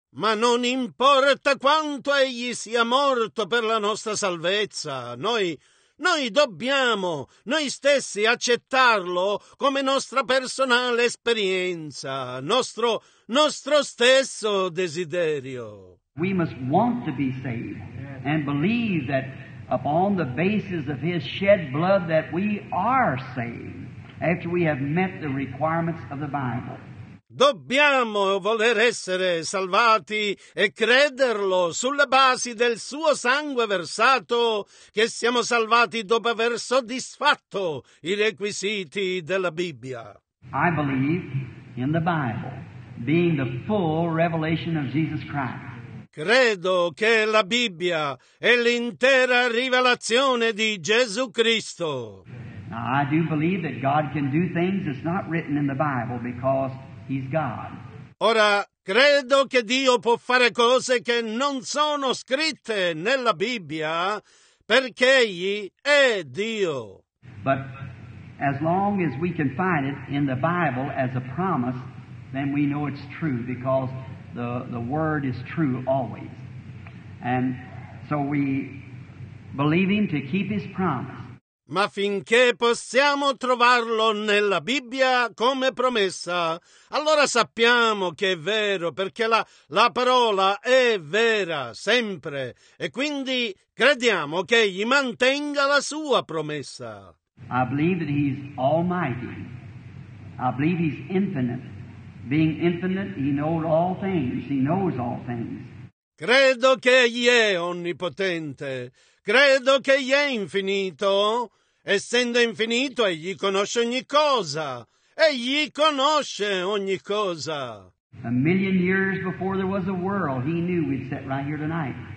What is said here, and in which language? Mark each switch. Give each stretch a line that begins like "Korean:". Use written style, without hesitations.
Italian: Ma non importa quanto egli sia morto per la nostra salvezza, noi dobbiamo accettarlo come nostra personale esperienza, nostro stesso desiderio.
English: We must want to be saved and believe that upon the basis of his shed blood that we are saved after we have met the requirements of the Bible.
Italian: Dobbiamo voler essere salvati e crederlo sulle basi del suo sangue versato, che siamo salvati dopo aver soddisfatto i requisiti della Bibbia.
English: I believe in the Bible being the full revelation of Jesus Christ.
Italian: Credo che la Bibbia è l'intera rivelazione di Gesù Cristo.
English: Now, I do believe that God can do things that's not written in the Bible because He's God.
Italian: Ora, credo che Dio può fare cose che non sono scritte nella Bibbia perché Egli è Dio.
English: But as long as we can find it in the Bible as a promise, then we know it's true because the word is true always. And so believing to keep his promise.
Italian: Ma finché possiamo trovarlo nella Bibbia come promessa, allora sappiamo che è vero, perché la parola è vera sempre, e quindi crediamo che egli mantenga la sua promessa.
English: I believe that he's almighty. I believe he's infinite. Being infinite, he knows all things. He knows all things.
Italian: Credo che egli è onnipotente. Credo che egli è infinito. Essendo infinito, egli conosce ogni cosa. Egli conosce ogni cosa.
English: A million years before there was a world, he knew we'd sit right here tonight.